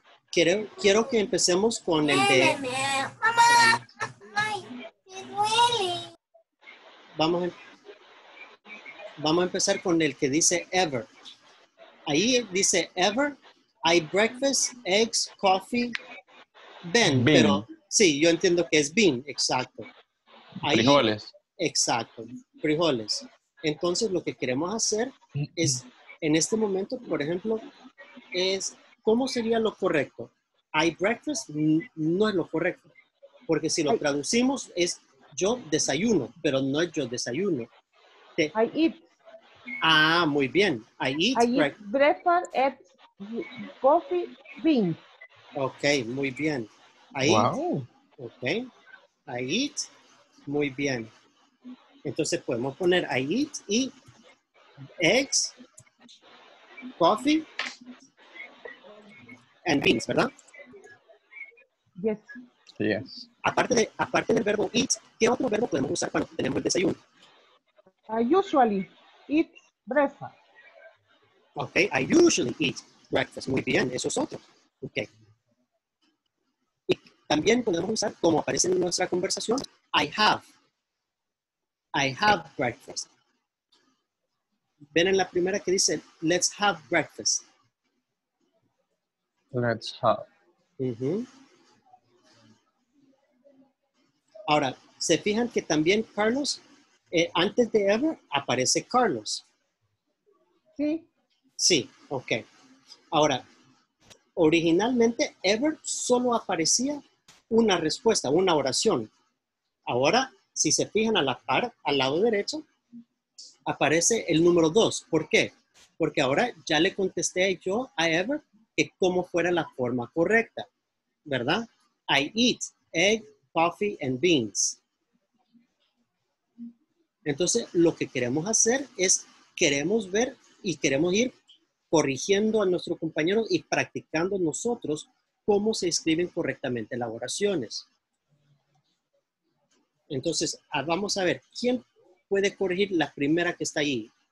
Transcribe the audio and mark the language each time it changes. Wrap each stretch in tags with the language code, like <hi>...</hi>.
<es>Quiero que empecemos con el de... Mamá, me duele. Vamos a empezar con el que dice ever. Ahí dice</es> <en>ever, I breakfast, eggs, coffee, bean.</en> <es>Pero sí, yo entiendo que es bean, exacto. Frijoles. Exacto, frijoles. Entonces, lo que queremos hacer es, en este momento, por ejemplo, es, ¿cómo sería lo correcto?</es> <en>I breakfast</en> <es>no es lo correcto. Porque si lo traducimos, es yo desayuno, pero no es yo desayuno.</es> <en>I eat.</en> <es>Ah, muy bien.</es> <en>I eat breakfast at coffee beans.</en> <es>Ok, muy bien.</es> <en>I eat,</en> <es>muy bien. Entonces podemos poner</es> <en>I eat</en> <es>y</es> <en>eggs, coffee, and beans,</en> <es>¿verdad?</es> <en>Yes. Yes.</en> <es>Aparte del verbo eat, ¿qué otro verbo podemos usar cuando tenemos el desayuno?</es> <en>I usually eat breakfast. Ok, I usually eat breakfast.</en> <es>Muy bien, eso es otro. Ok. También podemos usar, como aparece en nuestra conversación,</es> <en>I have breakfast.</en> <es>¿Ven en la primera que dice,</es> <en>let's have breakfast? Let's have. Uh-huh.</en> <es>Ahora, ¿se fijan que también Carlos, antes de ever, aparece Carlos? Sí. Sí, ok. Ahora, originalmente, ever solo aparecía una respuesta, una oración. Ahora, si se fijan a la par, al lado derecho, aparece el número 2. ¿Por qué? Porque ahora ya le contesté yo a Ever que cómo fuera la forma correcta, ¿verdad?</es> <en>I eat egg, coffee, and beans.</en> <es>Entonces, lo que queremos hacer es, queremos ver y queremos ir corrigiendo a nuestro compañero y practicando nosotros cómo se escriben correctamente las oraciones. Entonces, vamos a ver, ¿quién puede corregir la primera que está ahí?</es>